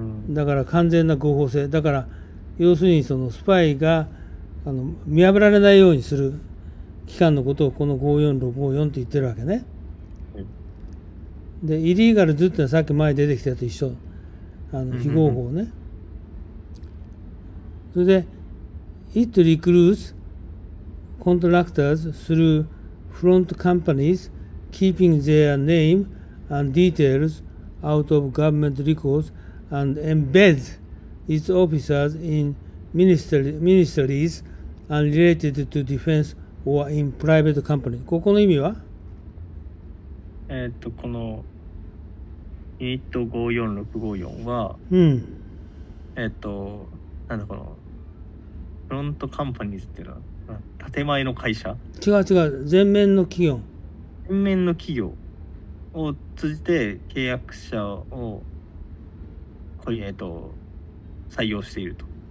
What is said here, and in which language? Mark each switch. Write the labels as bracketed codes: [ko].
[ja] だから完全な合法性、だから要するにそのスパイがあの見破られないようにする機関のことをこの54654って言ってるわけね。でイリーガルズってのはさっき前出てきたと一緒、あの非合法ね。それで [en] It recruits contractors through front companies keeping their name and details out of government records and embeds its officers in ministries and related to defense or in private company. [ja] ここの意味は？このユニット54654は、なんだこのフロントカンパニーズっていうのは建前の会社？違う、全面の企業。全面の企業を通じて契約者を採用していると。